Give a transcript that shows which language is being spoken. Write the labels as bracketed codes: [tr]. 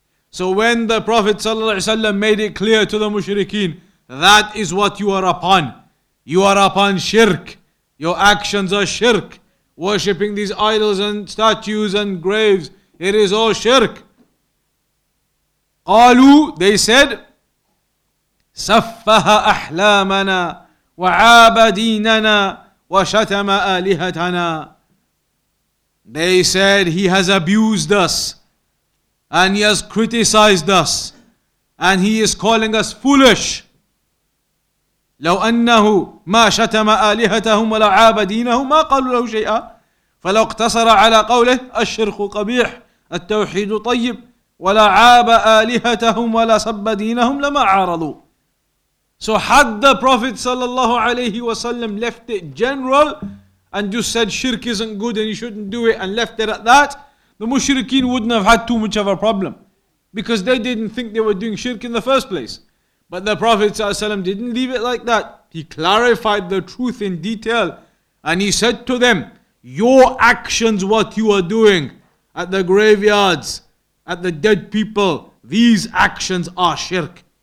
[en] So when the Prophet ﷺ made it clear to the mushrikeen, that is what you are upon. You are upon shirk. Your actions are shirk. Worshipping these idols and statues and graves, it is all shirk. [ar] قالوا, [en] they said, [ar] سفه أحلامنا وعابديننا وشتم آلهتنا. [en] They said, he has abused us and he has criticized us and he is calling us foolish. [ar] لو أنه ما شتم آلهتهم ولا عابدينهم ما قالوا له شيئا فلو اقتصر على قوله الشرك قبيح التوحيد طيب ولا عاب آلهتهم ولا سب دينهم لما عارضوا. [en] So had the Prophet sallallahu alayhi wasallam left it general and just said shirk isn't good and you shouldn't do it and left it at that, the mushrikeen wouldn't have had too much of a problem because they didn't think they were doing shirk in the first place. But the Prophet sallallahu alayhi wasallam didn't leave it like that. He clarified the truth in detail and he said to them, your actions, what you are doing at the graveyards, at the dead people, these actions are shirk.